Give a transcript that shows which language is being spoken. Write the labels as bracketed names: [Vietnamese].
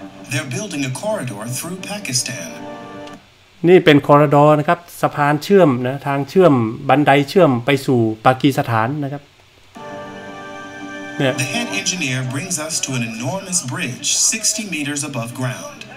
[English] They're building a corridor through Pakistan [Thai] นี่เป็นคอริดอร์นะครับสะพานเชื่อมนะทางเชื่อมบันไดเชื่อมไปสู่ปากีสถานนะครับ [English] The head engineer brings us to an enormous bridge 60 meters above ground.